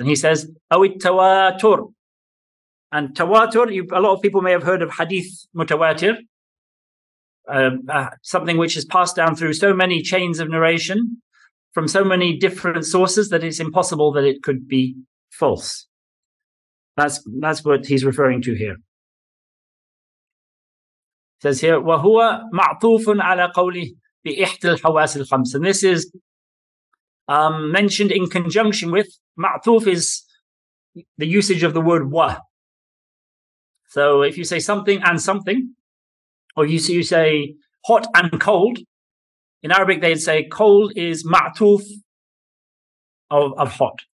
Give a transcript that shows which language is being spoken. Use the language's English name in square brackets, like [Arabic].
[English] And he says, [Arabic] أَوِ التَّوَاتُرُ. [English] And tawatur, a lot of people may have heard of hadith mutawatir, something which is passed down through so many chains of narration from so many different sources that it's impossible that it could be false. That's what he's referring to here. It says here, [Arabic] وَهُوَ مَعْطُوفٌ عَلَىٰ قَوْلِهِ بِإِحْتِ الْحَوَاسِ الْخَمْسِ. [English] And this is mentioned in conjunction with, ma'tuf is the usage of the word wa. So if you say something and something, or you say hot and cold, in Arabic they'd say cold is ma'tuf of hot.